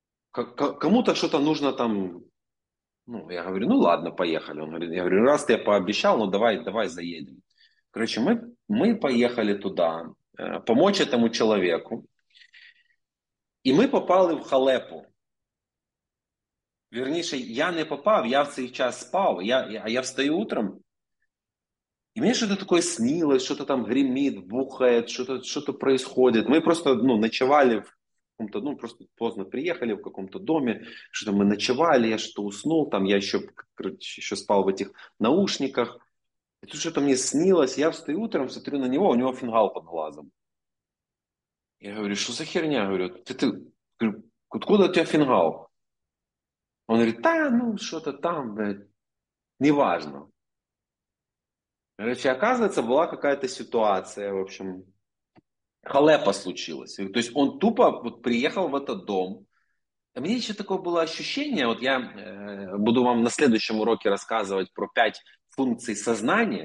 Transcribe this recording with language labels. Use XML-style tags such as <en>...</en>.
<ru>Кому-то что-то нужно там. Ну, я говорю, ну ладно, поехали. Он говорит, я говорю, раз ты пообещал, ну давай, давай заедем. Короче, мы поехали туда, помочь этому человеку. И мы попали в халепу.</ru> <uk>Вернее, я не попав, я в цей час спав, я встаю утром, і мені щось таке снилось, щось там гриміт, бухає, щось відбувається. Ми просто ну, ночували в якому-то, ну просто поздно приїхали в якомусь домі, що там ми ночували, я щось уснув, там я ще спав в цих наушниках. І тут щось мені снилось, я встаю утром, смотрю на нього, у нього фінгал під глазом. Я говорю, що за херня? Я говорю, куди у тебе фінгал?</uk> <ru>Он говорит, да, ну что-то там, блядь, неважно. Короче, оказывается, была какая-то ситуация, в общем, халепа случилась. То есть он тупо вот приехал в этот дом. А мне еще такое было ощущение, вот я буду вам на следующем уроке рассказывать про 5 функций сознания.</ru>